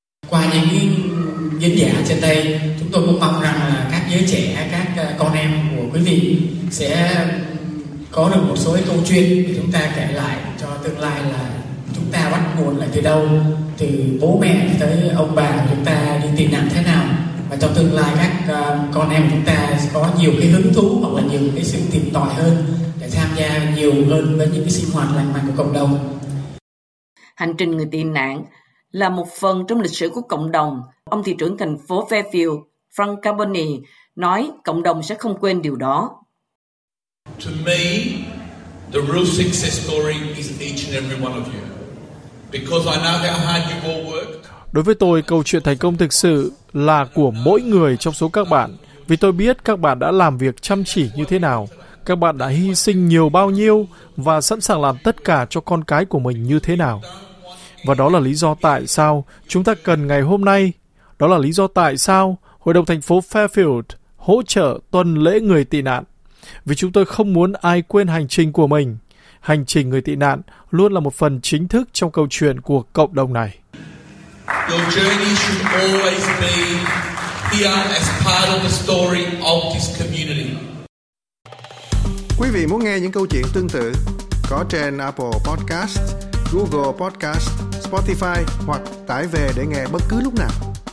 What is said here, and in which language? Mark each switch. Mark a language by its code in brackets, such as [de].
[vi] Qua những diễn giả trên đây, chúng tôi cũng mong rằng là các giới trẻ, các con em của quý vị sẽ có được một số câu chuyện để chúng ta kể lại cho tương lai, là chúng ta bắt nguồn là từ đâu, từ bố mẹ tới ông bà chúng ta đi tị nạn thế nào, và trong tương lai các con em chúng ta có nhiều cái hứng thú hoặc là nhiều cái sự tìm tòi hơn để tham gia nhiều hơn với những cái sinh hoạt lành mạnh của cộng đồng. Hành trình người tị nạn là một phần trong lịch sử của cộng đồng. Ông thị trưởng thành phố Fairfield, Frank Carboni, nói cộng đồng sẽ không quên điều đó. [en] To me, the real success story is each and every one of you, because I know how hard you've all worked. [vi] Đối với tôi, câu chuyện thành công thực sự là của mỗi người trong số các bạn, vì tôi biết các bạn đã làm việc chăm chỉ như thế nào, các bạn đã hy sinh nhiều bao nhiêu và sẵn sàng làm tất cả cho con cái của mình như thế nào. Và đó là lý do tại sao chúng ta cần ngày hôm nay. Đó là lý do tại sao Hội đồng thành phố Fairfield hỗ trợ tuần lễ người tị nạn. Vì chúng tôi không muốn ai quên hành trình của mình. Hành trình người tị nạn luôn là một phần chính thức trong câu chuyện của cộng đồng này. [en] Your journey should always be here as part of the story of this community. [vi] Quý vị muốn nghe những câu chuyện tương tự? Có trên Apple Podcast, Google Podcast, Spotify hoặc tải về để nghe bất cứ lúc nào.